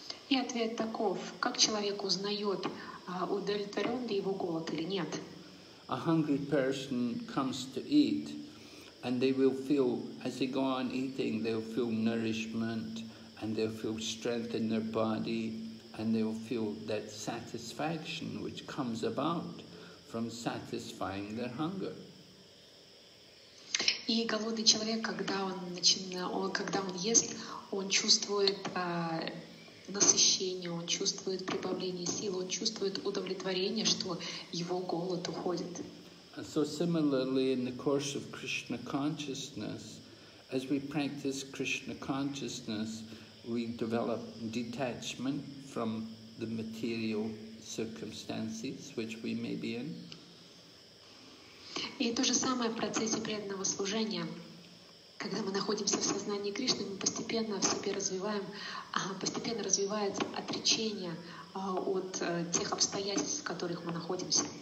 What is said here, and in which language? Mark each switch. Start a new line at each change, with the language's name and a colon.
Russian: И ответ таков: как человек узнает, удовлетворен ли его голод или нет?
English: A hungry person comes to eat, and they will feel, as they go on eating, they'll feel nourishment, and they'll feel strength in their body, and they'll feel that satisfaction which comes about from satisfying their hunger.
Russian: И голодный человек, когда он ест, он чувствует насыщение, он чувствует прибавление сил, он чувствует удовлетворение, что его голод уходит.
English: So similarly, in the course of Krishna consciousness, as we practice Krishna consciousness, we develop detachment from the material circumstances which we may be in.
Russian: И то же самое в процессе преданного служения. Когда мы находимся в сознании Кришны, мы постепенно в себе развиваем, постепенно развивается отречение от тех обстоятельств, в которых мы находимся.